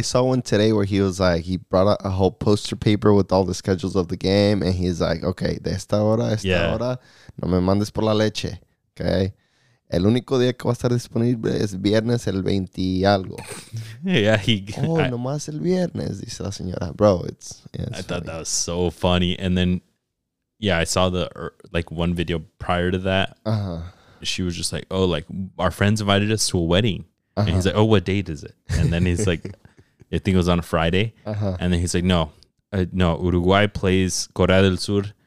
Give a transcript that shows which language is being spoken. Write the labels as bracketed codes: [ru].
[en] saw one today where he was like, he brought out a whole poster paper with all the schedules of the game. And he's like, okay, [es] de esta hora, esta hora, no me mandes por la leche. [en] Okay. [es] El único día que va a estar disponible es viernes el 20 y algo. [en] Yeah, [es] nomás el viernes, dice la señora. [en] Bro, it's funny. Thought that was so funny. And then, I saw the one video prior to that. Uh-huh. She was just like, oh, like our friends invited us to a wedding. Uh-huh. And he's like, oh, what date is it? And then he's like, I think it was on a Friday. Uh-huh. And then he's like, no, Uruguay plays Corea del Sur.